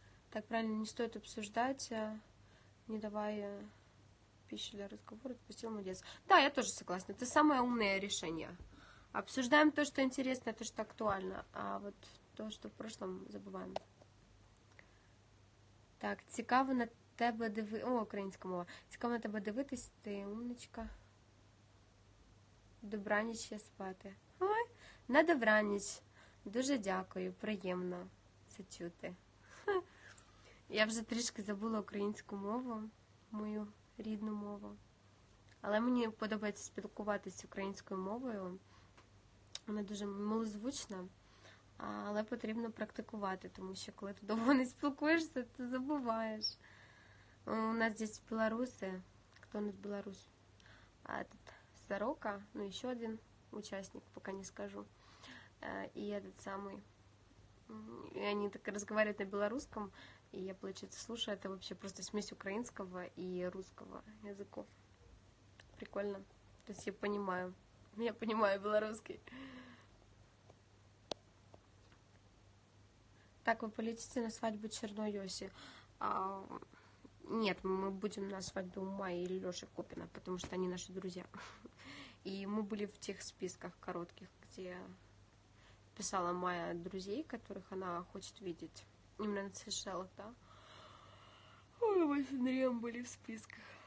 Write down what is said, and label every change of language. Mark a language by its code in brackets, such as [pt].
[ru] Так, правильно, не стоит обсуждать, не давая... пищу для разговора, отпустил молодец. Да, я тоже согласна. Это самое умное решение. Обсуждаем то, что интересно, то, что актуально. А вот то, что в прошлом, забываем. [uk] Так, цікаво на тебе диви... О, українська мова. Цікаво на тебе дивитись, ти умничка. Добраніч, я спати. Ой, на добраніч. Дуже дякую, приємно це чути. Я вже трішки забула українську мову, мою рідну мову. Але мені подобається спілкуватися українською мовою. Вона дуже милозвучна, але потрібно практикувати, тому що коли ти довго не спілкуєшся, ти забуваєш. У нас десь білоруси. Хто не з білорус? А тут Сорока, ну і ще один учасник, поки не скажу. І я тут самий. І вони так розмовляють на білоруському, і я, виходить, слухаю, це взагалі просто [ru] смесь [uk] українського і російського язиків. Прикольно. Тобто я розумію. Я розумію білоруський. Так, ви полетите на свадьбу Черної Осі. [ru] Нет, мы будем на свадьбе у Майи и Лёши Купина, потому что они наши друзья. И мы были в тех списках коротких, где писала Майя друзей, которых она хочет видеть. Именно на Сейшелах, да? Ой, мы с Андреем были в списках.